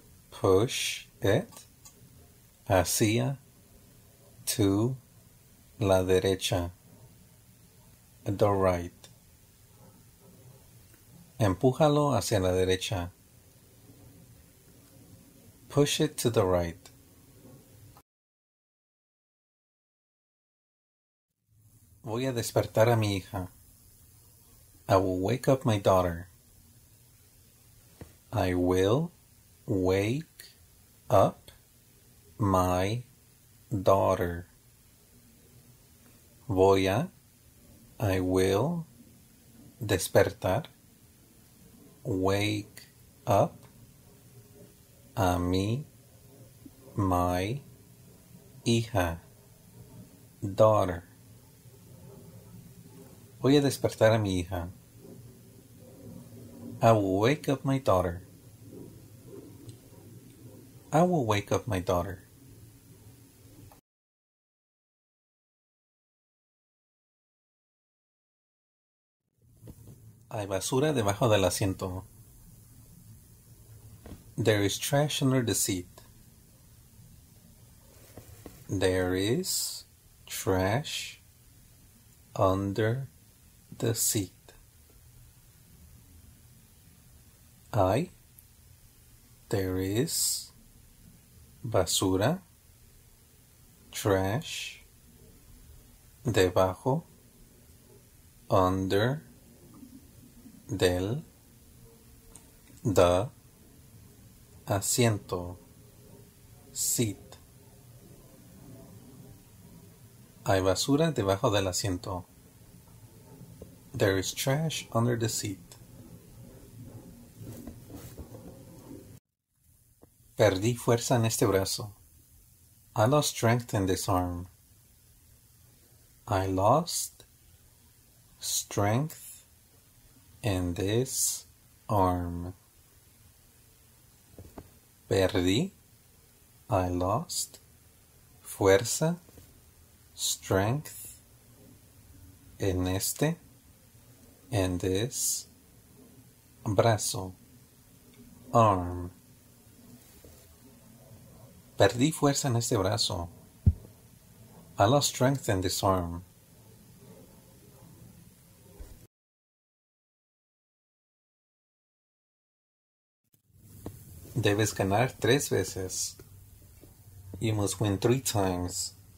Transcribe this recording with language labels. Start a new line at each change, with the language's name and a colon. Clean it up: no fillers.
English: Push it
Spanish: hacia
English: to
Spanish: la derecha.
English: The right.
Spanish: Empújalo hacia la derecha.
English: Push it to the right.
Spanish: Voy a despertar a mi hija.
English: I will wake up my daughter. I will wake up my daughter.
Spanish: Voy a,
English: I will
Spanish: despertar,
English: wake up
Spanish: a mi, my hija, daughter. Voy a despertar a mi hija.
English: I will wake up my daughter. I will wake up my daughter.
Spanish: Hay basura debajo del asiento.
English: There is trash under the seat. There is trash under the seat. Hay, there is, basura, trash, debajo, under, del, the, asiento, seat.
Spanish: Hay basura debajo del asiento.
English: There is trash under the seat.
Spanish: Perdí fuerza en este brazo.
English: I lost strength in this arm. I lost strength in this arm.
Spanish: Perdí.
English: I lost fuerza, strength
Spanish: en este.
English: In this brazo, arm.
Spanish: Perdí fuerza en este brazo.
English: I lost strength in this arm.
Spanish: Debes ganar tres veces.
English: You must win three times.